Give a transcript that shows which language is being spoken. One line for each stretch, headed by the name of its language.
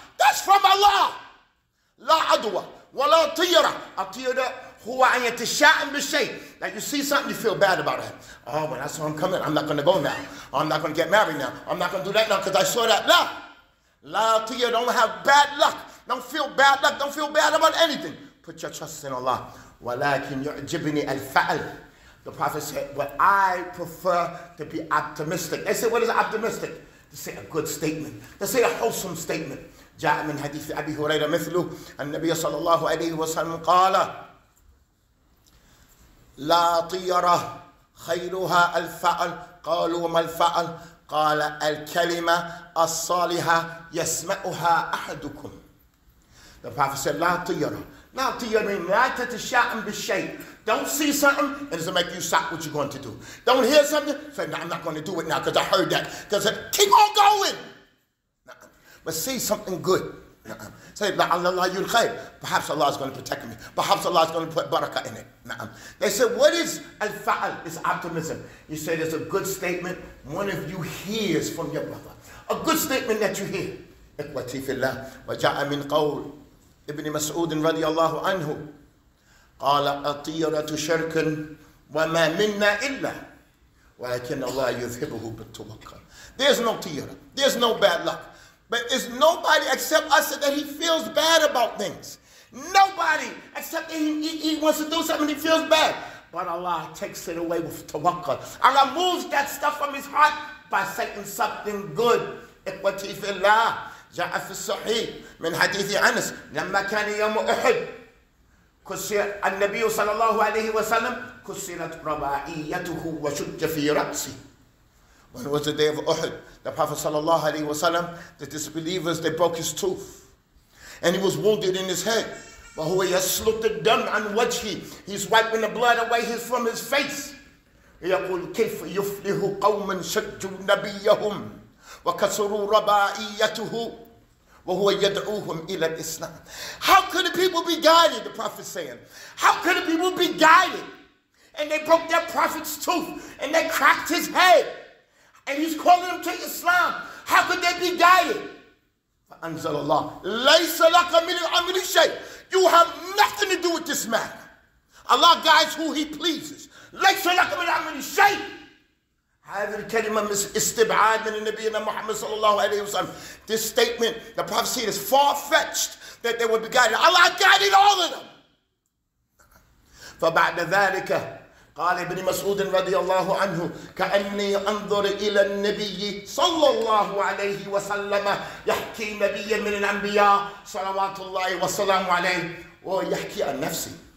English: That's from Allah.
Arabic: لا عدوى ولا طيرة. الطيرة هو أن يتشائم بالشيء.
English: That you see something, you feel bad about it. Oh, when I saw him coming, I'm not going to go now. I'm not going to get married now. I'm not going to do that now because I saw that.
Arabic: لا. لا طيرة.
English: Don't have bad luck. Don't feel bad luck. Don't feel bad about anything. Put your trust in Allah.
Arabic: ولكن يعجبني الفعل.
English: The Prophet said, but I prefer to be optimistic. They said, what is optimistic? To say a good statement. To say a wholesome statement.
Arabic: جاء من حديث أبي هريرة مثله النبي صلى الله عليه وسلم قال لا طيرة خيرها الفعل. قالوا ما الفعل؟ قال الكلمة الصالحة يسمعها أحدكم.
English: The Prophet said
Arabic: لا طيرة. لا طيرة لا تتشائم بالشيء.
English: Don't see something and it's going to make you stop what you're going to do. Don't hear something, say no, I'm not going to do it now because I heard that. Because keep on going. But say something good. نعم. Say,
Arabic: La'allallah yul khayr.
English: Perhaps Allah is going to protect me. Perhaps Allah is going to put barakah in it.
Arabic: نعم.
English: They said, what is al-fa'al? It's optimism. You say there's a good statement one of you hears from your brother. A good statement that you hear.
Arabic: إخوتي في الله وجاء من قول ابن مسعود رضي الله عنه قال أطيرة شرك وما منا إلا ولكن الله يذهبه بالتوكل.
English: There's no tiara. There's no bad luck. But there's nobody except us that he feels bad about things. Nobody except that he wants to do something he feels bad. But Allah takes it away with tawakkul. Allah moves that stuff from his heart by saying something good.
Arabic: إخوتي في الله جاء في الصحيح من حديث أنس لما كان يوم أحد كسر النبي صلى الله عليه وسلم كسرت رباعيته وشج في رأسه.
English: When was the day of Uhud? The Prophet sallallahu alaihi wasallam, the disbelievers, they broke his tooth. And he was wounded in his head.
Arabic: وَهُوَ يَسْلُقْ الدَّمْ عَنْ وَجْهِ.
English: He's wiping the blood away from his face.
Arabic: يقول كيف يفلح قوم شجوا نبيهم وكسروا رباعيته وهو يدعوهم إلى الإسلام.
English: How could the people be guided? The Prophet saying. How could the people be guided? And they broke their Prophet's tooth and they cracked his head. And he's calling them to Islam. How could they be guided?
Arabic: فأنزل الله ليس لك من الأمر شيء.
English: You have nothing to do with this matter. Allah guides who He pleases.
Arabic: ليس لك من الأمر شيء. هذه الكلمة استبعاد من النبي محمد صلى الله عليه وسلم.
English: This statement, the prophecy is far-fetched that they would be guided. Allah guided all of them.
Arabic: فبعد ذلك قال ابن مسعود رضي الله عنه كأني أنظر إلى النبي صلى الله عليه وسلم يحكي نبيا من الأنبياء صلوات الله وسلامه عليه ويحكي عن نفسي.